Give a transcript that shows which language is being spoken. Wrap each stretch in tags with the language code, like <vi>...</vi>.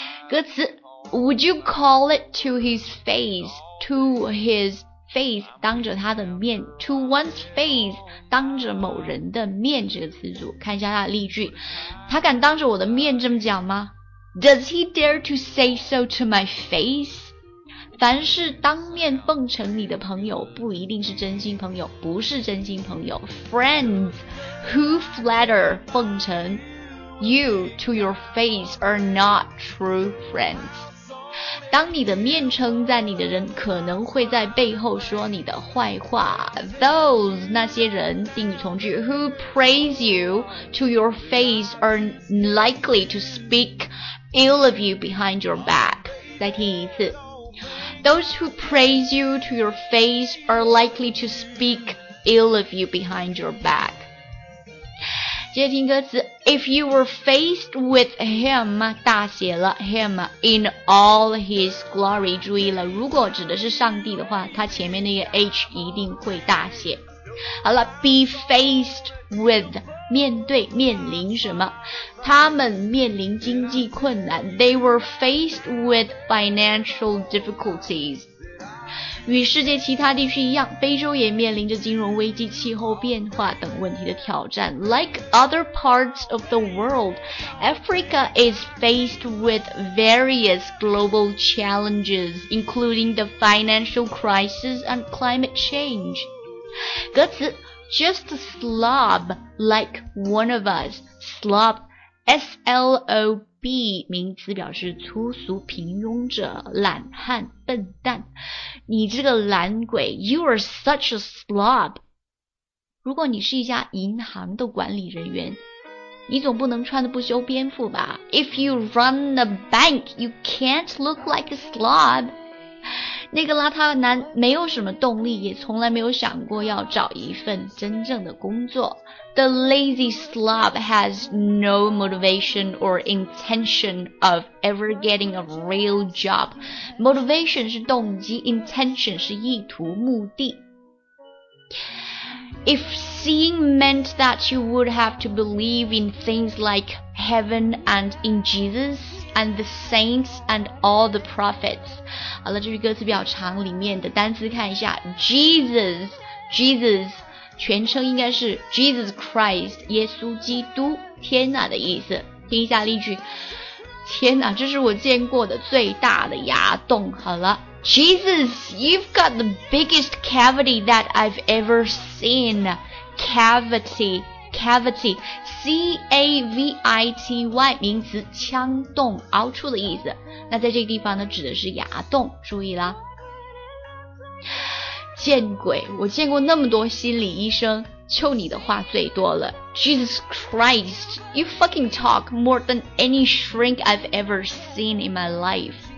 <zh>歌词</zh> <en>Would you call it to his face, to his face,</en> <zh>当着他的面</zh> <en>to one's face,</en> <zh>当着某人的面，这个词组。看一下他的例句，他敢当着我的面这么讲吗？</zh> <en>Does he dare to say so to my face?</en> <zh>凡是当面奉承你的朋友，不一定是真心朋友，不是真心朋友。</zh> <en>Friends who flatter</en> <zh>奉承</zh> <en>you to your face are not true friends.</en> <zh>当你的面称赞你的人，可能会在背后说你的坏话。</zh> <en>Those</en> <zh>那些人，定语从句</zh> <en>who praise you to your face are likely to speak ill of you behind your back.</en> <zh>再听一次。</zh> <en>Those who praise you to your face are likely to speak ill of you behind your back.</en> <zh>接听歌词</zh> <en>If you were faced with him,</en> <zh>大写了 him,</zh> <en>in all his glory,</en> <zh>注意了，如果指的是上帝的话，它前面那个 H 一定会大写。好了 ,</zh> <en>be faced with,</en> <zh>面对面临什么，他们面临经济困难 ,</zh> <en>they were faced with financial difficulties.</en> <zh>与世界其他地区一样，非洲也面临着金融危机、气候变化等问题的挑战。</zh> <en>Like other parts of the world, Africa is faced with various global challenges, including the financial crisis and climate change.</en> <zh>歌词</zh> <en>Just a slob like one of us.</en> <zh>Slob, S-L-O-B, 名词表示粗俗、平庸者、懒汉、笨蛋。你这个懒鬼</zh> <en>You are such a slob.</en> <zh>如果你是一家银行的管理人员，你总不能穿得不修边幅吧？</zh> <en>If you run a bank, you can't look like a slob.</en> <zh>那个邋遢的男没有什么动力，也从来没有想过要找一份真正的工作。</zh> <en>The lazy slob has no motivation or intention of ever getting a real job.</en> <zh>Motivation 是动机， intention 是意图、目的。</zh> <en>If seeing meant that you would have to believe in things like heaven and in Jesus and the saints and all the prophets.</en> <zh>好了，这句歌词比较长，里面的单词看一下。 Jesus, 全称应该是 Jesus Christ, 耶稣基督，天哪的意思。听一下例句。天哪，这是我见过的最大的牙洞。好了。</zh> <en>Jesus, you've got the biggest cavity that I've ever seen.</en> <zh>Cavity, C-A-V-I-T-Y, 名词腔洞、凹处的意思。那在这个地方呢，指的是牙洞，注意啦。见鬼，我见过那么多心理医生，就你的话最多了。</zh> <en>Jesus Christ, you fucking talk more than any shrink I've ever seen in my life.</en>